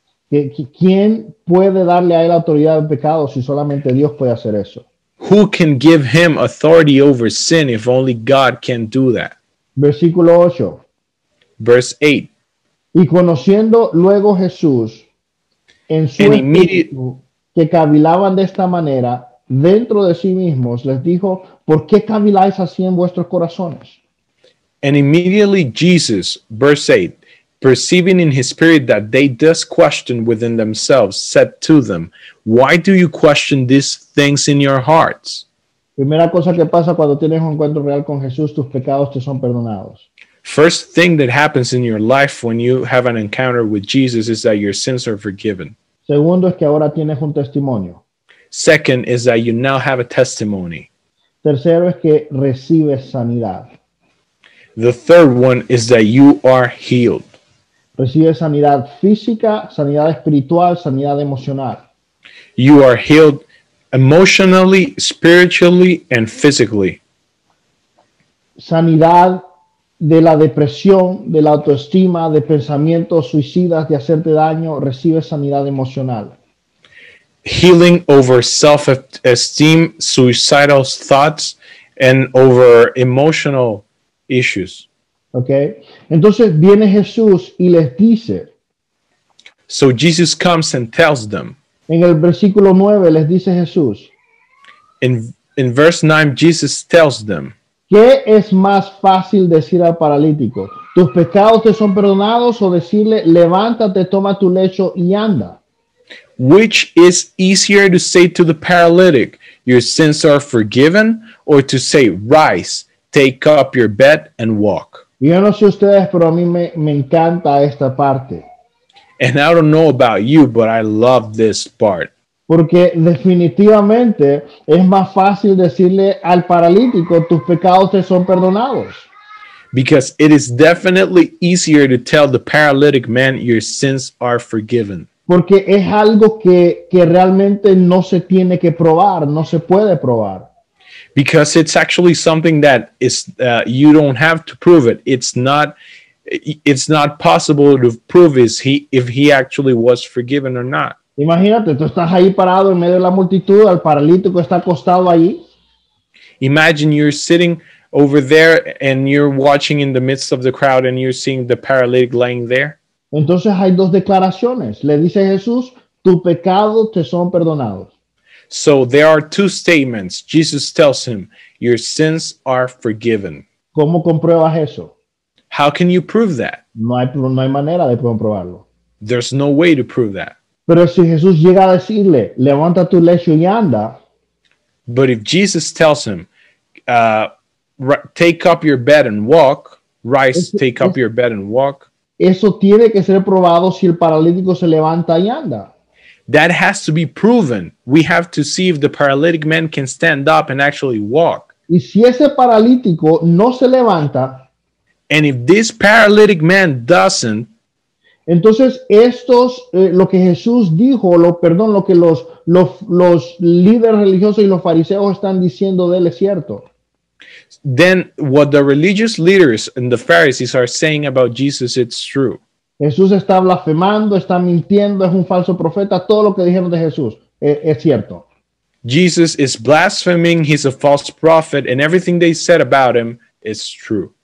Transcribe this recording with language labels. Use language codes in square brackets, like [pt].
[es] ¿Quién puede darle a él autoridad al pecado si solamente Dios puede hacer eso? [en] Who can give him authority over sin if only God can do that? [es] Versículo 8. [en] Verse [es] 8. Y conociendo luego Jesús en su espíritu que cavilaban de esta manera dentro de sí mismos, les dijo, ¿por qué caviláis así en vuestros corazones? [en] And immediately Jesus, verse 8, perceiving in his spirit that they thus questioned within themselves, said to them, why do you question these things in your hearts? [es] Primera cosa que pasa cuando tienes un encuentro real con Jesús, tus pecados te son perdonados. [en] First thing that happens in your life when you have an encounter with Jesus is that your sins are forgiven. [es] Segundo es que ahora tienes un testimonio. [en] Second is that you now have a testimony. [es] Tercero es que recibes sanidad. [en] The third one is that you are healed. [es] Recibes sanidad física, sanidad espiritual, sanidad emocional. [en] You are healed emotionally, spiritually, and physically. [es] Sanidad de la depresión, de la autoestima, de pensamientos suicidas, de hacerte daño, recibe sanidad emocional. [en] Healing over self-esteem, suicidal thoughts, and over emotional issues. [es] Okay. Entonces viene Jesús y les dice. [en] So Jesus comes and tells them. [es] En el versículo 9 les dice Jesús. [en] In verse 9, Jesus tells them. [es] ¿Qué es más fácil decir al paralítico? ¿Tus pecados te son perdonados o decirle, levántate, toma tu lecho y anda? [en] Which is easier to say to the paralytic, your sins are forgiven, or to say, rise, take up your bed and walk? [es] Yo no sé ustedes, pero a mí me encanta esta parte. [en] And I don't know about you, but I love this part. [es] Porque definitivamente es más fácil decirle al paralítico, tus pecados te son perdonados. [en] Because it is definitely easier to tell the paralytic man, your sins are forgiven. [es] Porque es algo que realmente no se tiene que probar, no se puede probar. [en] Because it's actually something that is, you don't have to prove it. It's not possible to prove if he actually was forgiven or not. [es] Imagínate, tú estás ahí parado en medio de la multitud, el paralítico está acostado ahí. [en] Imagine you're sitting over there and you're watching in the midst of the crowd and you're seeing the paralytic lying there. [es] Entonces hay dos declaraciones. Le dice Jesús, tu pecado te son perdonados. [en] So there are two statements. Jesus tells him, your sins are forgiven. [es] ¿Cómo compruebas eso? [en] How can you prove that? [es] No hay manera de comprobarlo. [en] There's no way to prove that. [es] Pero si Jesús llega a decirle, levanta tu lecho y anda. [en] But if Jesus tells him, take up your bed and walk, rise, take up your bed and walk. [es] Eso tiene que ser probado si el paralítico se levanta y anda. [en] That has to be proven. We have to see if the paralytic man can stand up and actually walk. [es] Y si ese paralítico no se levanta. [en] And if this paralytic man doesn't. [es] Entonces estos, lo que Jesús dijo, lo que los líderes religiosos y los fariseos están diciendo de él es cierto. [en] Then what the religious leaders and the Pharisees are saying about Jesus, it's true. [es] Jesús está blasfemando, está mintiendo, es un falso profeta. Todo lo que dijeron de Jesús es cierto. [en] Jesus is blaspheming, he's a false prophet, and everything they said about him is true.